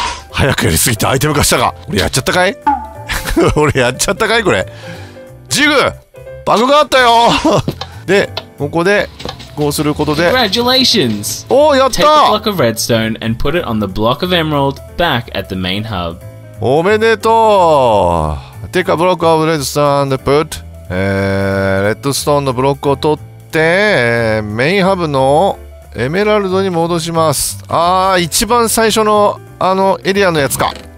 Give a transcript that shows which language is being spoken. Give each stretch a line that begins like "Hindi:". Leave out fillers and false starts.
Japanese: 早くやりすぎてアイテム化したか、俺やっちゃったかい俺やっちゃったかい、これジグバグがあったよで、ここでこうすることで、
English: Congratulations!
Japanese: おー、やった！
English: Take the block of redstone and put it on the block of emerald back at the main hub.
Japanese: おめでとう！
English: Take a block of redstone and put、
Japanese: レッドストーンのブロックを取って、メインハブのエメラルドに戻します。あー、一番最初のあのエリアのやつか。